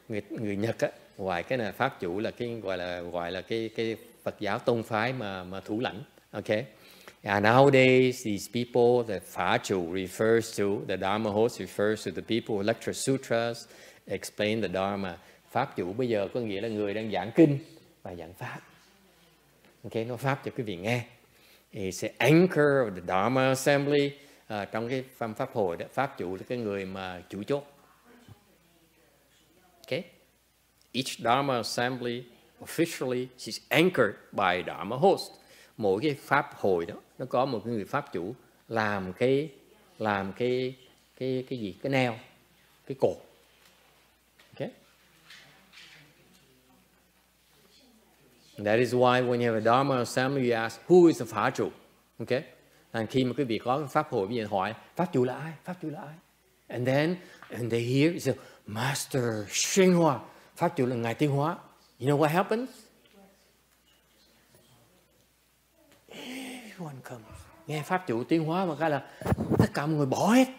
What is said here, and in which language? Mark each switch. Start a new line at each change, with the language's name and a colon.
Vietnamese: Người Nhật á, ngoài cái này Pháp chủ là cái gọi là cái Phật giáo tông phái mà thủ lãnh.
English: Okay. And nowadays, these people, the Phá Chủ refers to, the Dharma host refers to the people who lecture sutras, explain the Dharma.
Vietnamese: Pháp Chủ bây giờ có nghĩa là người đang giảng kinh và giảng Pháp.
English: Okay,
Vietnamese: nói Pháp cho quý vị nghe.
English: It's the anchor of the Dharma assembly.
Vietnamese: Trong cái phẩm Pháp hội, đó, Pháp Chủ là cái người mà chủ chốt.
English: Okay. Each Dharma assembly officially is anchored by Dharma host.
Vietnamese: Mỗi cái pháp hội đó nó có một cái người pháp chủ làm cái neo, cái cột.
English: Okay. That is why when you have a Dharma assembly, you ask who is the Phá Chủ. Okay.
Vietnamese: And khi mà quý vị có cái pháp hội, quý vị hỏi pháp chủ là ai? Pháp chủ là ai?
English: And then they hear it's a Master Xuyên Hoa.
Vietnamese: Pháp chủ là Ngài Tiên Hóa.
English: You know what happens? Everyone comes.
Vietnamese: Nghe Pháp Chủ Tiên Hóa mà cái là tất cả mọi người bỏ hết.